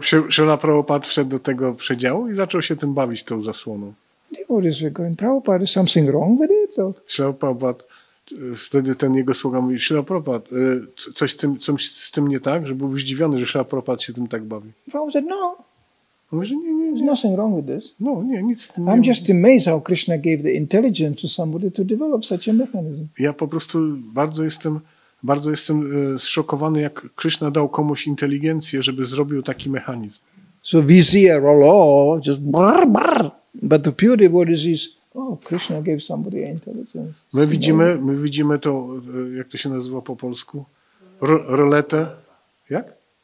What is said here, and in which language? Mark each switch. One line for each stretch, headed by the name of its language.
Polish: Śrila Prabhupada wszedł do tego przedziału i zaczął się tym bawić, tą zasłoną.
English: Devotees were going, Prabhupada, is something wrong with it?
Polish: Śrila Prabhupada, wtedy ten jego sługa mówi, Śrila Prabhupada, coś z tym nie tak? Że był zdziwiony, że Śrila Prabhupada się tym tak bawi.
English: Prabhupada said, no.
Polish: On mówi, że nie.
English: There's nothing wrong with this.
Polish: No, nie, nic.
English: I'm just amazed how Krishna gave the intelligence to somebody to develop such a mechanism.
Polish: Ja po prostu bardzo jestem zszokowany, jak Krishna dał komuś inteligencję, żeby zrobił taki mechanizm.
English: So we see a rollo, just brr, brr. But the pure devotee is, oh, Krishna gave somebody intelligence.
Polish: My widzimy to, jak to się nazywa po polsku? Ruletę. Jak?